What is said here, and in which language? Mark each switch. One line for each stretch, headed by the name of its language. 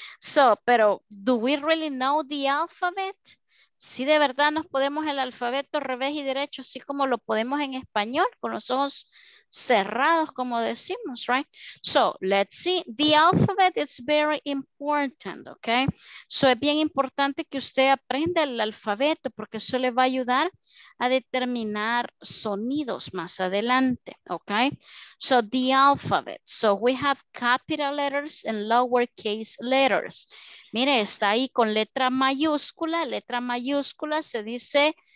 Spanish: So, pero,
English: ¿do we really know the alphabet?
Spanish: ¿Sí de verdad nos podemos el alfabeto revés y derecho, así como lo podemos en español, con los ojos cerrados, como decimos, right?
English: So, let's see. The alphabet is very important, ¿ok?
Spanish: So, es bien importante que usted aprenda el alfabeto, porque eso le va a ayudar a determinar sonidos más adelante, ¿ok?
English: So, the alphabet. So, we have capital letters and lowercase letters.
Spanish: Mire, está ahí con letra mayúscula se dice...